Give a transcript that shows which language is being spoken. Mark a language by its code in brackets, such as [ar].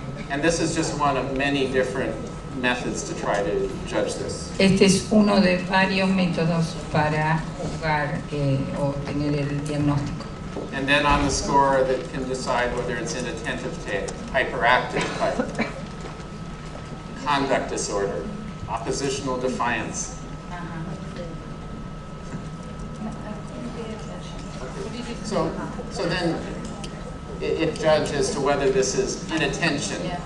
[en] And this is just one of many different methods to try to judge this. [es] Este es uno de varios métodos para juzgar o tener el diagnóstico. [en] And then on the score that can decide whether it's inattentive type, hyperactive type, conduct disorder, oppositional defiance. So then it judges to whether this is inattention.